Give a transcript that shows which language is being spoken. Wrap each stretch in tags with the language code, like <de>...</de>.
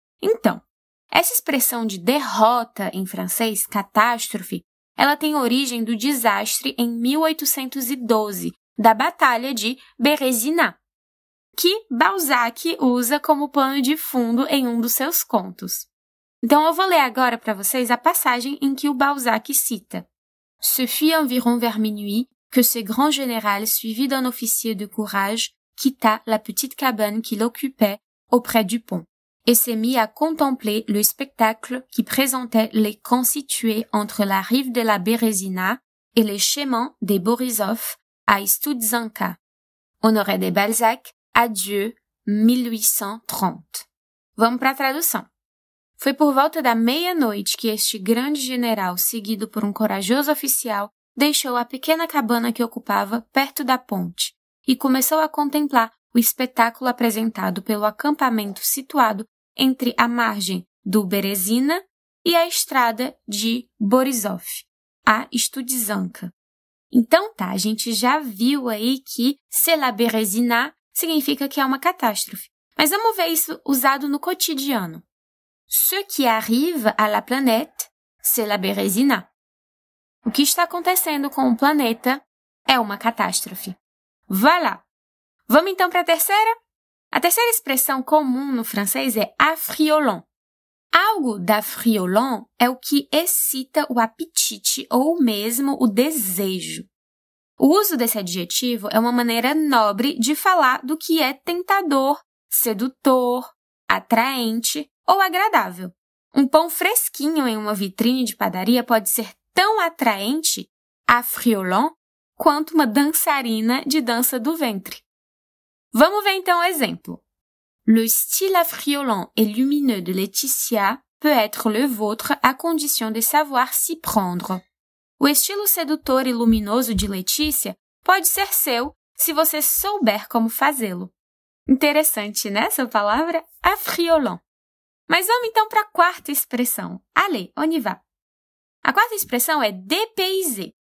<pt>Então, essa expressão de derrota em francês, catástrofe, ela tem origem do desastre em 1812, da Batalha de Bérésina, que Balzac usa como pano de fundo em um dos seus contos. Então, eu vou ler agora para vocês a passagem em que o Balzac cita.</pt> <fr>Ce fut environ vers minuit que ce grand général, suivi d'un officier de courage, quitta la petite cabane qu'il occupait auprès du pont et s'est mis à contempler le spectacle qui présentait les camps situés entre la rive de la Bérésina et les chemins des Borisov à Istoudzanka.</fr> <pt>Honoré de Balzac, adieu 1830. Vamos para a tradução. Foi por volta da meia-noite que este grande general, seguido por um corajoso oficial, deixou a pequena cabana que ocupava perto da ponte e começou a contemplar o espetáculo apresentado pelo acampamento situado entre a margem do Bérésina e a estrada de Borisov, a Istoudzanka. Então tá, a gente já viu aí que</pt> <fr>c'est la Bérésina</fr> <pt>significa que é uma catástrofe. Mas vamos ver isso usado no cotidiano.</pt> <fr>Ce qui arrive à la planète, c'est la Bérésina.</fr> <pt>O que está acontecendo com o planeta é uma catástrofe. Vá lá! Vamos então para a terceira? A terceira expressão comum no francês é affriolant. Algo d'affriolant é o que excita o apetite ou mesmo o desejo. O uso desse adjetivo é uma maneira nobre de falar do que é tentador, sedutor, atraente ou agradável. Um pão fresquinho em uma vitrine de padaria pode ser tão atraente, affriolant, quanto uma dançarina de dança do ventre. Vamos ver então o exemplo.</pt> <fr>Le style affriolant et lumineux de Laetitia peut être le vôtre à condition de savoir s'y prendre.</fr> <pt>O estilo sedutor e luminoso de Letícia pode ser seu se você souber como fazê-lo. Interessante, né, essa palavra? Affriolant. Mas vamos então para a quarta expressão.</pt> <fr>Allez, on y va.</fr> <pt>A quarta expressão é dépaysé.</pt>